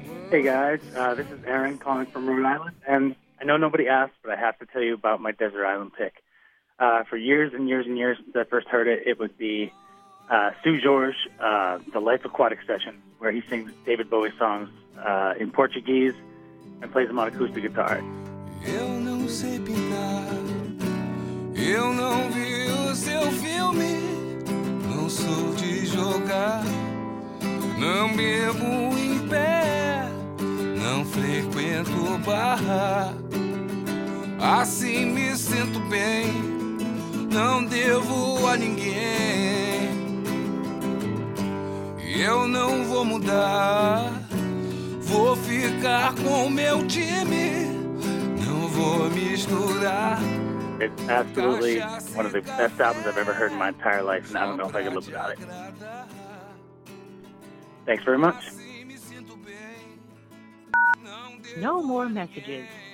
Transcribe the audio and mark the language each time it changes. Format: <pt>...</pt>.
<en>Hey guys, this is Aaron calling from Rhode Island, and I know nobody asked, but I have to tell you about my Desert Island pick. For years and years and years since I first heard it, it would be Sue George, The Life Aquatic Session, where he sings David Bowie songs in Portuguese, and plays them on acoustic guitar.</en> <pt>Eu não sei pintar, eu não vi o seu filme, não sou de jogar, não bebo em pé, não frequento barra, assim me sinto bem, não devo a ninguém. Eu não vou mudar, vou ficar com o meu time.</pt> <en>It's absolutely one of the best albums I've ever heard in my entire life, and I don't know if I can live without it. Thanks very much. No more messages.</en>